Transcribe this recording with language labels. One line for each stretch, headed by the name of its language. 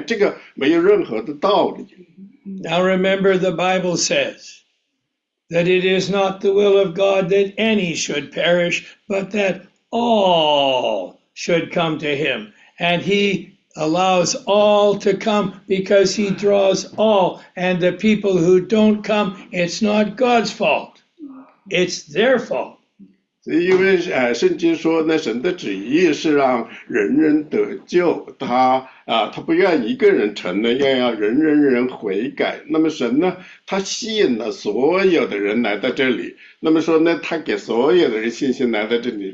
Chinese: 这个没有任何的道理。
English: Now remember, the Bible says that it is not the will of God that any should perish, but that all should come to Him. And He allows all to come because He draws all. And the people who don't come, it's not God's fault, it's their fault.
Chinese: 所以因为圣经说那神的旨意是让人人得救，他啊他不愿一个人沉沦，愿要人人人悔改。那么神呢，他吸引了所有的人来到这里，那么说呢，他给所有的人信心来到这里。